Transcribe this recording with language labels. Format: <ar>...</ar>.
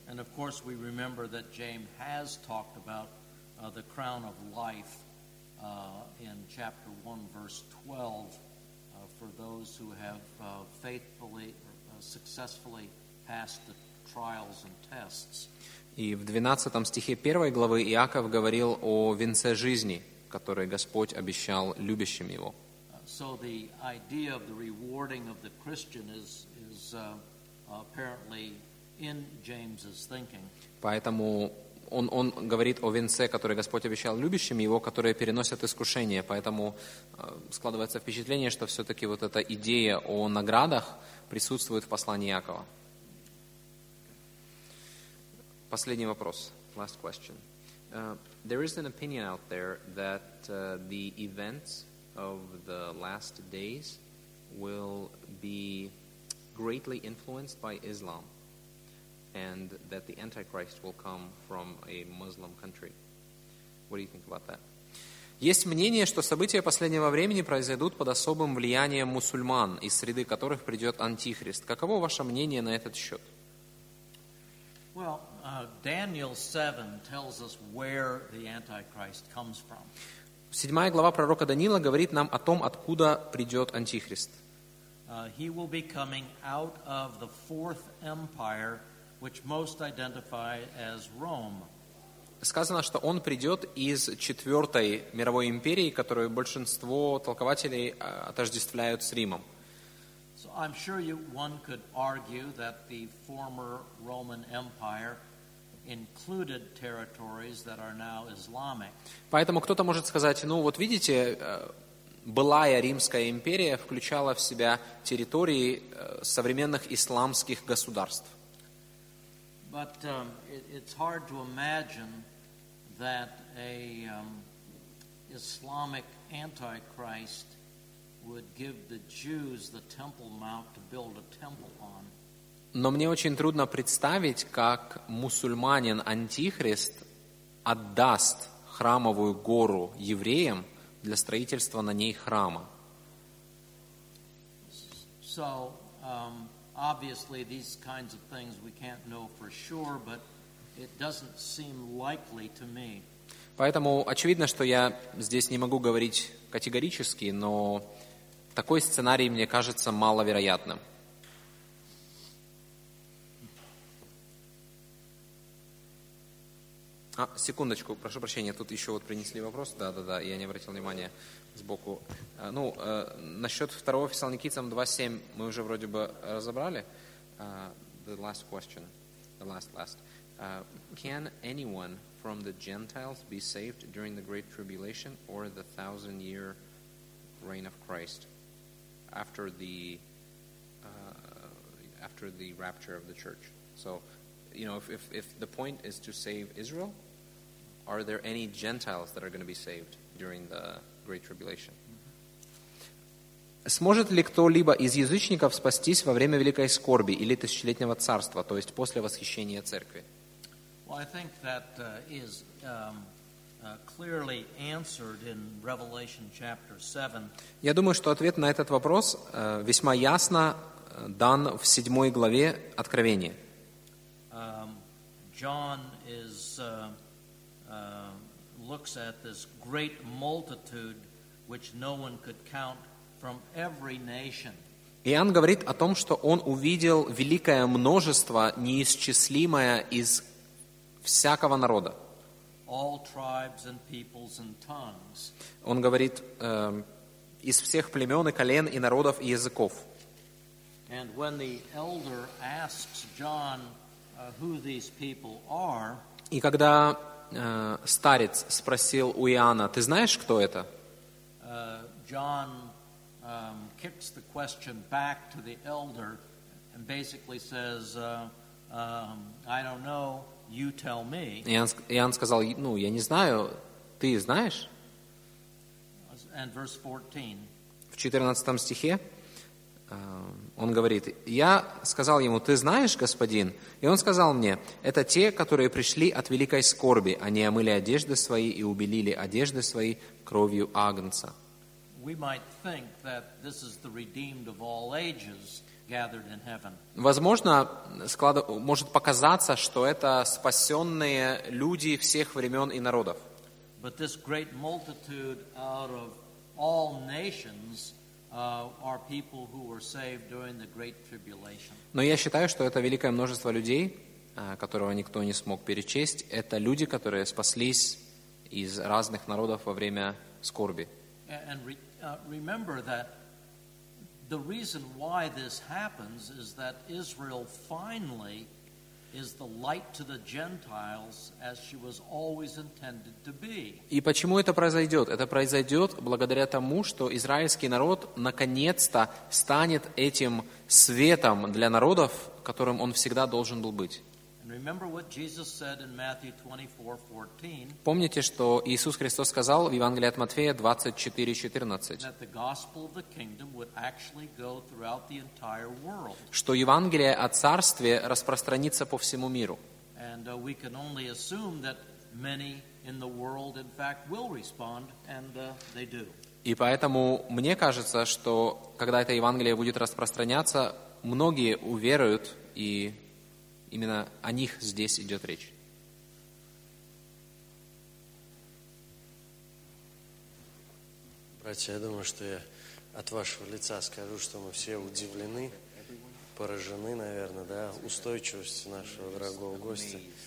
<en>And of course we remember that James has talked about the crown of life in chapter 1 verse 12 for those who have faithfully successfully passed the trials and tests.</en> <ru>И в 12 стихе 1 главы Иаков говорил о венце жизни, который Господь обещал любящим его.</ru> <en>So the idea of the rewarding of the Christian is apparently in James's thinking.</en> <ru>Поэтому он говорит о венце, который Господь обещал любящим его, которые переносят искушение. Поэтому складывается впечатление, что все-таки вот эта идея о наградах присутствует в послании Иакова. Последний вопрос.</ru> <en>Last question. There is an opinion out there that the events of the last days will be greatly influenced by Islam, and that the Antichrist will come from a Muslim country. What do you think about that?</en> <ru>Есть мнение, что события последнего времени произойдут под особым влиянием мусульман, из среды которых придет Антихрист. Каково ваше мнение на этот счет?</ru> <en>Well, Daniel 7 tells us where the Antichrist comes from.</en> <ru>Седьмая глава пророка Даниила говорит нам о том, откуда придет Антихрист.</ru> <en>He will be coming out of the fourth empire, which most identify as Rome.</en> <ru>Сказано, что он придет из четвертой мировой империи, которую большинство толкователей отождествляют с Римом.</ru> <en>So I'm sure one could argue that the former Roman Empire included territories that are now Islamic.</en> <ru>Поэтому кто-то может сказать, ну вот видите, былая Римская империя включала в себя территории современных исламских государств.</ru> <en>But it's hard to imagine that a Islamic antichrist would give the Jews the Temple Mount to build a temple on.</en> <ru>Но мне очень трудно представить, как мусульманин Антихрист отдаст храмовую гору евреям для строительства на ней храма.</ru> <en>So, obviously these kinds of things we can't know for sure, but it doesn't seem likely to me.</en> <ru>Поэтому очевидно, что я здесь не могу говорить категорически, но такой сценарий мне кажется маловероятным. А, секундочку, прошу прощения, тут еще вот принесли вопрос. Да-да-да, я не обратил внимания сбоку. Ну, насчет 2 Фессалоникийцам 2.7 мы уже вроде бы разобрали.</ru> <en>The last question. The last. Can anyone from the Gentiles be saved during the Great Tribulation or the thousand-year reign of Christ after the rapture of the church? So, you know, if the point is to save Israel, are there any Gentiles that are going to be saved during the Great Tribulation?</en> <ru>Сможет ли кто-либо из язычников спастись во время Великой Скорби или Тысячелетнего Царства, то есть после восхищения Церкви?</ru> <en>Well, I think that is clearly answered in Revelation chapter 7.</en> <ru>Я думаю, что ответ на этот вопрос весьма ясно дан в 7 главе Откровения.</ru> <en>John is looks at this great multitude which no one could count from every nation.</en> <ru>Иоанн говорит о том, что он увидел великое множество, неисчислимое из всякого народа.</ru> <en>All tribes and peoples and tongues.</en> <ru>Он говорит из всех племен и колен и народов и языков.</ru> <en>And when the elder asks John who these people are,</en> <ru>и когда старец спросил у Иоанна, ты знаешь, кто это?</ru> <en>John kicks the question back to the elder and basically says, I don't know, you tell me.</en> <ru>Иоанн сказал, ну, я не знаю, ты знаешь?</ru> <en>And verse 14.</en> <ru>В 14 стихе он говорит, я сказал ему, ты знаешь, господин? И он сказал мне, это те, которые пришли от великой скорби. Они омыли одежды свои и убелили одежды свои кровью Агнца.</ru> <en>We might think that this is the redeemed of all ages gathered in heaven.</en> <ru>Возможно, может показаться, что это спасенные люди всех времен и народов.</ru> <en>But this great multitude out of all nations are people who were saved during the great tribulation.</en> <ru>Но я считаю, что это великое множество людей, которого никто не смог перечесть, это люди, которые спаслись из разных народов во время скорби.</ru> <en>Remember that the reason why this happens is that Israel finally is the light to the Gentiles as she was always intended to be.</en> <ru>И почему это произойдет? Это произойдет благодаря тому, что израильский народ наконец-то станет этим светом для народов, которым он всегда должен был быть.</ru> <en>And remember what Jesus said in Matthew 24:14.</en> <ru>Помните, что Иисус Христос сказал в Евангелии от Матфея 24:14.</ru> <en>That the gospel of the kingdom would actually go throughout the entire world.</en> <ru>Что Евангелие о царстве распространится по всему миру.</ru> <en>And we can only assume that many in the world, in fact, will respond, and they do.</en> <ru>И поэтому мне кажется, что когда это Евангелие будет распространяться, многие уверуют и именно о них здесь идет речь. Братья, я думаю, что я от вашего лица скажу, что мы все удивлены, поражены, наверное, да, устойчивостью нашего дорогого гостя.</ru>